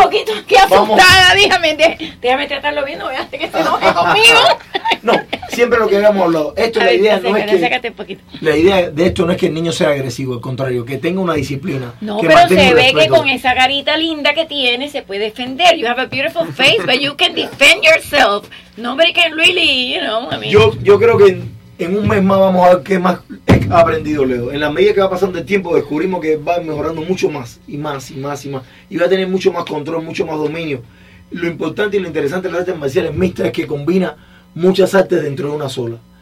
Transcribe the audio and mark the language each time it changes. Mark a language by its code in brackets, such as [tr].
[es] Porque yo estoy aquí un poquito aquí asustada, déjame tratarlo bien, no voy a hacer que se enoje conmigo. No, siempre lo que habíamos hablado. Esto, la idea no es que... Sácate un poquito. La idea de esto no es que el niño sea agresivo, al contrario, que tenga una disciplina. No, pero se ve que con esa carita linda que tiene se puede defender. [en] You have a beautiful face, but you can defend yourself. Nobody can really, you know, I mean... [es] Yo creo que... en un mes más vamos a ver qué más ha aprendido Leo. En la medida que va pasando el tiempo descubrimos que va mejorando mucho más y más y más y más. Y va a tener mucho más control, mucho más dominio. Lo importante y lo interesante de las artes marciales mixtas es que combina muchas artes dentro de una sola.